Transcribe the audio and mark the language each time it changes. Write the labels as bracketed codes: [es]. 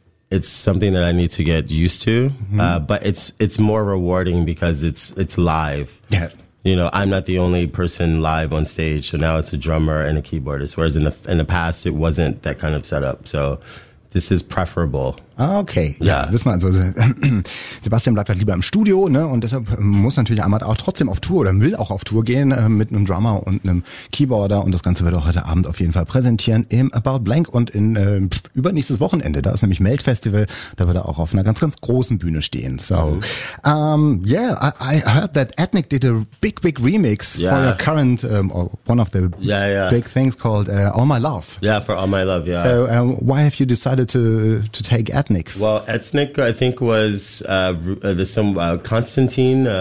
[en] It's something that I need to get used to. But it's more rewarding because it's live. Yeah. You know, I'm not the only person live on stage, so now it's a drummer and a keyboardist, whereas in the past, it wasn't that kind of setup, so this is preferable. [de] Okay, ja, wissen wir also, Sebastian bleibt halt lieber im Studio, ne, und deshalb muss natürlich Ahmad auch trotzdem auf Tour oder will auch auf Tour gehen mit einem Drummer und einem Keyboarder, und das Ganze wird auch heute Abend auf jeden Fall präsentieren im About Blank und in übernächstes Wochenende, da ist nämlich Melt Festival, da wird er auch auf einer ganz, ganz großen Bühne stehen, so. [en] Yeah, I heard that Ethnic did a big, big remix for your current, one of the big things called All My Love. Yeah, for All My Love, yeah. So why have you decided to take Ethnic? Well, Ethnic, I think, was Constantine.